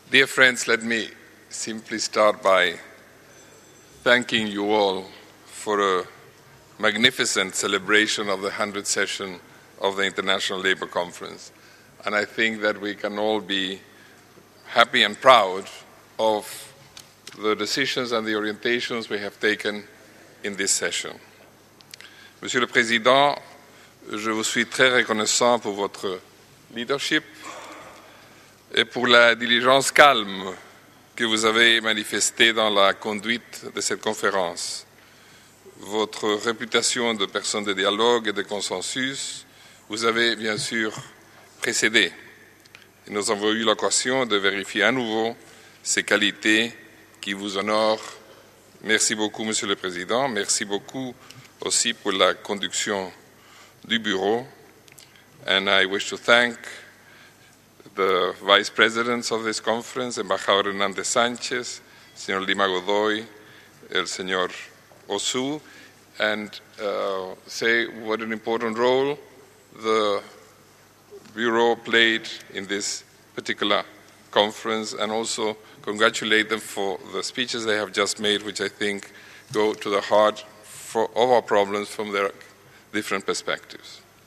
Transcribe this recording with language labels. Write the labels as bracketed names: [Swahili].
[English] Dear friends, let me simply start by thanking you all for a magnificent celebration of the 100th session of the International Labour Conference. And I think that we can all be happy and proud of the decisions and the orientations we have taken in this session. [French] Monsieur le Président, je vous suis très reconnaissant pour votre leadership et pour la diligence calme que vous avez manifestée dans la conduite de cette conférence. Votre réputation de personne de dialogue et de consensus vous avez bien sûr précédé. Et nous avons eu l'occasion de vérifier à nouveau ces qualités qui vous honorent. Merci beaucoup, Monsieur le Président. Merci beaucoup aussi pour la conduction du bureau. [English] And I wish to thank the Vice Presidents of this conference, Embajador Hernández Sánchez, Señor Lima Godoy, el Señor Osu, and say what an important role the Bureau played in this particular conference, and also congratulate them for the speeches they have just made, which I think go to the heart of our problems from their different perspectives.